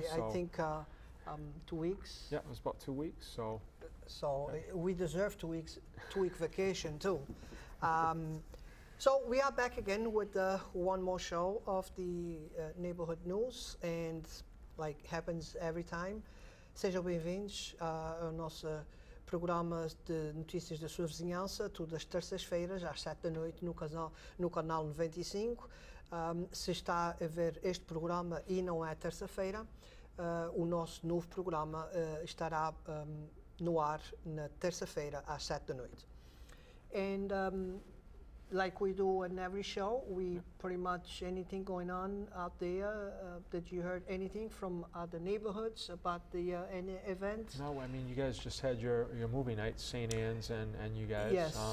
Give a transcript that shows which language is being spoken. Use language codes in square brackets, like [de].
[en] Yes, I think 2 weeks. Yeah, it was about 2 weeks. So. So we deserve 2 weeks, 2 week vacation too. So we are back again with one more show of the Neighborhood News, and like happens every time. [pt] Sejam bem-vindos ao nosso programa de notícias da sua vizinhança, todas as terças-feiras, às 7 da noite, no canal 95. Se está a ver este programa e não é terça-feira, o nosso novo programa estará no ar na terça-feira, às 7 da noite. [en] And like we do in every show, we pretty much anything going on out there, did you heard anything from other neighborhoods about the any event? No, I mean, you guys just had your movie night, St. Anne's, and you guys. Yes.